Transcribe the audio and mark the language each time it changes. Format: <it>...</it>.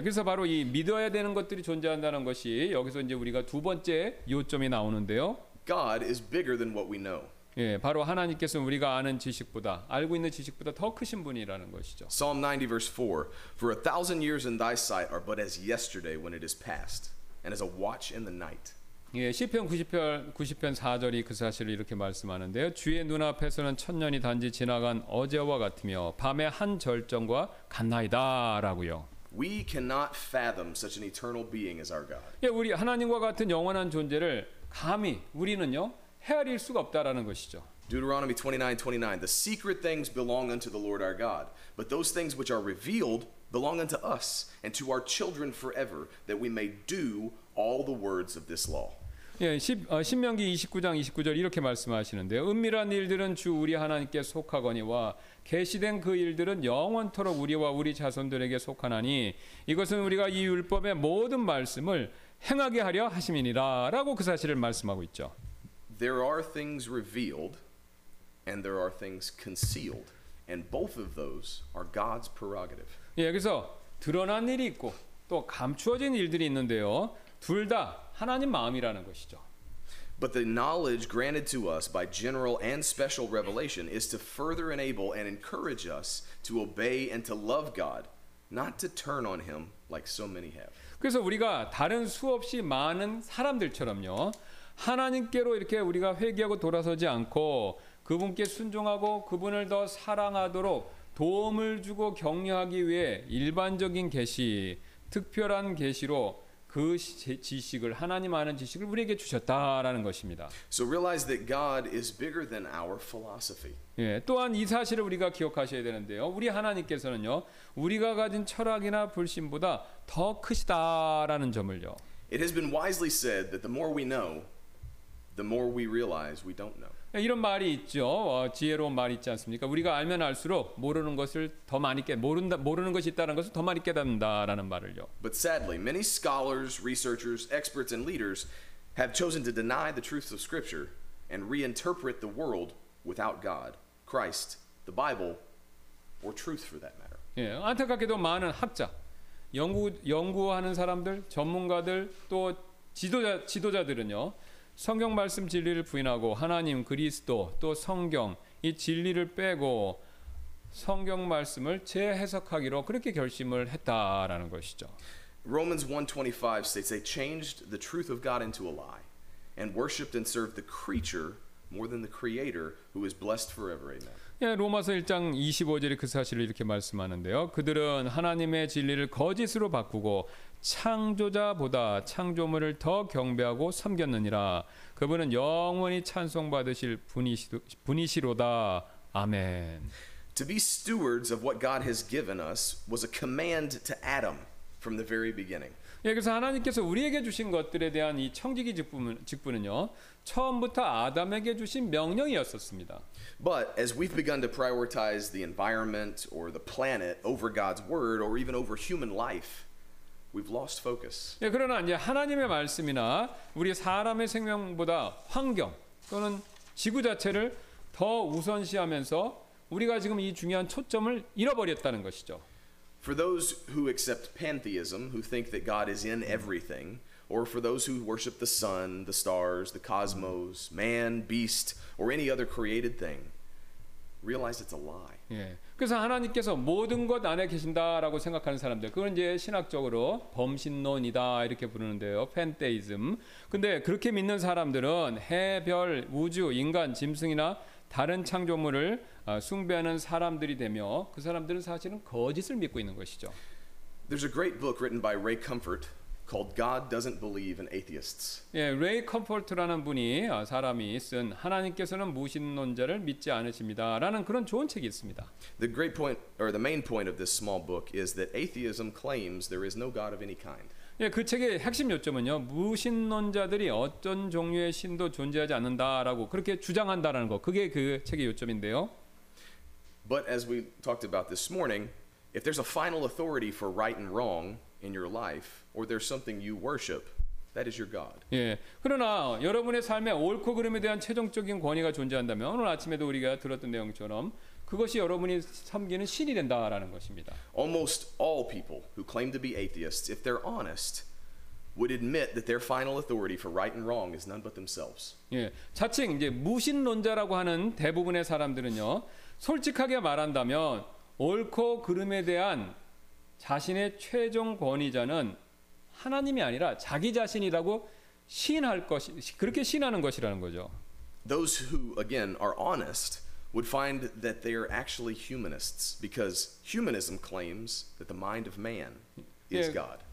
<ko>그래서 바로 이 믿어야 되는 것들이 존재한다는 것이 여기서 이제 우리가 두 번째 요점이 나오는데요.</ko> <en>God is bigger than what we know.</en> <ko>예, 바로 하나님께서는 우리가 아는 지식보다 알고 있는 지식보다 더 크신 분이라는 것이죠.</ko> <en>Psalm 90 verse 4 For a thousand years in thy sight are but as yesterday when it is past and as a watch in the night.</en> <ko>예, 시편 90편 4절이 그 사실을 이렇게 말씀하는데요. 주의 눈앞에서는 천년이 단지 지나간 어제와 같으며 밤의 한 절정과 같나이다라고요.</ko> <en>We cannot fathom such an eternal being as our God.</en> <ko>예, 우리 하나님과 같은 영원한 존재를 감히 우리는요. 헤아릴 수가 없다라는 것이죠.</ko> <en>Deuteronomy 29:29 The secret things belong unto the Lord our God, but those things which are revealed belong unto us and to our children forever that we may do all the words of this law.</en> <ko>예, 신명기 29장 29절 이렇게 말씀하시는데요. 은밀한 일들은 주 우리 하나님께 속하거니와 계시된 그 일들은 영원토록 우리와 우리 자손들에게 속하나니 이것은 우리가 이 율법의 모든 말씀을 행하게 하려 하심이니라라고 그 사실을 말씀하고 있죠.</ko> <en>There are things revealed and there are things concealed and both of those are God's prerogative.</en> <ko>예, 그래서 드러난 일이 있고 또 감추어진 일들이 있는데요. 둘 다 하나님 마음이라는 것이죠.</ko> <en>But the knowledge granted to us by general and special revelation is to further enable and encourage us to obey and to love God, not to turn on him like so many have.</en> <ko>그래서 우리가 다른 수없이 많은 사람들처럼요. 하나님께로 이렇게 우리가 회개하고 돌아서지 않고 그분께 순종하고 그분을 더 사랑하도록 도움을 주고 격려하기 위해 일반적인 계시, 특별한 계시로 그 지식을 하나님 아는 지식을 우리에게 주셨다라는 것입니다.</ko> <en>So realize that God is bigger than our philosophy.</en> <ko>예, 또한 이 사실을 우리가 기억하셔야 되는데요. 우리 하나님께서는요. 우리가 가진 철학이나 불신보다 더 크시다라는 점을요.</ko> <en>It has been wisely said that the more we know, the more we realize we don't know.</en> <ko>이런 말이 있죠. 지혜로운 말이 있지 않습니까? 우리가 알면 알수록 모르는 것을 더 많이 모르는 것이 있다는 것을 더 많이 깨닫는다라는 말을요.</ko> <en>But sadly, many scholars, researchers, experts, and leaders have chosen to deny the truths of Scripture and reinterpret the world without God, Christ, the Bible, or truth for that matter.</en> <ko>예, 안타깝게도 많은 학자, 연구하는 사람들, 전문가들 또 지도자들은요. 성경 말씀 진리를 부인하고 하나님 그리스도 또 성경 이 진리를 빼고 성경 말씀을 재해석하기로 그렇게 결심을 했다라는 것이죠.</ko> <en>Romans 1:25 states they changed the truth of God into a lie and worshiped and served the creature more than the creator who is blessed forever. Amen.</en> <ko>예, 로마서 1장 25절이 그 사실을 이렇게 말씀하는데요. 그들은 하나님의 진리를 거짓으로 바꾸고 창조자보다 창조물을 더 경배하고 섬겼느니라 그분은 영원히 찬송받으실 분이시로다 아멘.</ko> <en>To be stewards of what God has given us was a command to Adam from the very beginning.</en> <ko>예, 그래서 하나님께서 우리에게 주신 것들에 대한 이 청지기 직분은요 처음부터 아담에게 주신 명령이었었습니다.</ko> <en>But as we've begun to prioritize the environment or the planet over God's word or even over human life. We've lost focus.</en> <ko>예, 그러나 이제 하나님의 말씀이나 우리 사람의 생명보다 환경 또는 지구 자체를 더 우선시하면서 우리가 지금 이 중요한 초점을 잃어버렸다는 것이죠.</ko> <en>For those who accept pantheism, who think that God is in everything, or for those who worship the sun, the stars, the cosmos, man, beast, or any other created thing, realize it's a lie.</en> <ko>예. 그래서 하나님께서 모든 것 안에 계신다라고 생각하는 사람들, 그건 이제 신학적으로 범신론이다 이렇게 부르는데요, 팬테이즘. 근데 그렇게 믿는 사람들은 해, 별, 우주, 인간, 짐승이나 다른 창조물을 숭배하는 사람들이 되며, 그 사람들은 사실은 거짓을 믿고 있는 것이죠.</ko> <en>There's a great book written by Ray Comfort called God Doesn't Believe in Atheists.</en> <ko>예, 레이 컴포트라는 분이 사람이 쓴 하나님께서는 무신론자를 믿지 않으십니다라는 그런 좋은 책이 있습니다.</ko> <en>The great point or the main point of this small book is that atheism claims there is no god of any kind.</en> <ko>예, 그 책의 핵심 요점은요. 무신론자들이 어떤 종류의 신도 존재하지 않는다라고 그렇게 주장한다라는 거. 그게 그 책의 요점인데요.</ko> <en>But as we talked about this morning, if there's a final authority for right and wrong in your life or there's something you worship, that is your god.</en> <ko>예. 그러나 여러분의 삶에 옳고 그름에 대한 최종적인 권위가 존재한다면 오늘 아침에도 우리가 들었던 내용처럼 그것이 여러분이 섬기는 신이 된다라는 것입니다.</ko> <en>Almost all people who claim to be atheists, if they're honest, would admit that their final authority for right and wrong is none but themselves.</en> <ko>예. 자칭 이제 무신론자라고 하는 대부분의 사람들은요. 솔직하게 말한다면 옳고 그름에 대한 자신의 최종 권위자는 하나님이 아니라 자기 자신이라고 시인할 것이 그렇게 시인하는 것이라는 거죠.</ko> <en>Those who again are honest would find that they are actually humanists because humanism claims that the mind of man is God.</en>